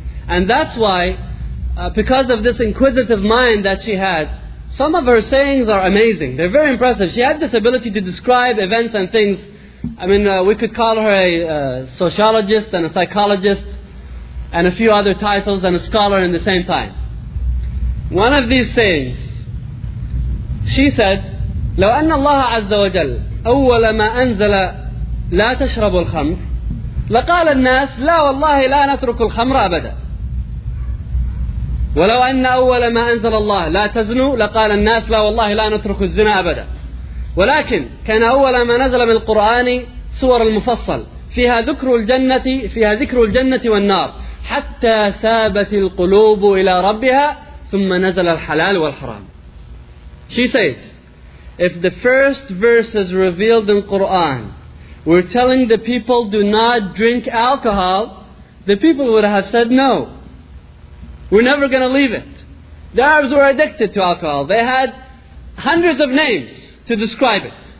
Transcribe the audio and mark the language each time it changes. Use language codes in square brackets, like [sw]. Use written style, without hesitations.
[en] And that's why, because of this inquisitive mind that she had, some of her sayings are amazing. They're very impressive. She had this ability to describe events and things. I mean, we could call her a sociologist and a psychologist and a few other titles and a scholar in the same time. One of these sayings, she said, [ar] لو أن الله عز وجل أول ما أنزل لا تشرب الخمر لقال الناس لا والله لا نترك الخمر أبدا. وَلَوْ أَنَّ أَوَّلَ مَا أَنْزَلَ اللَّهِ لَا تَزْنُوا لَقَالَ النَّاسِ لَا وَاللَّهِ لَا نُتْرُكُ الزِّنَا أَبَدًا. ولكن كان أول ما نزل من القرآن سور المفصل فيها ذكر الجنة فيها ذكر الجنة والنار حتى ثابت القلوب إلى ربها ثم نزل الحلال والحرام. [en] She says, if the first verses revealed in Quran were telling the people do not drink alcohol, the people would have said no. We're never going to leave it. The Arabs were addicted to alcohol. They had hundreds of names to describe it.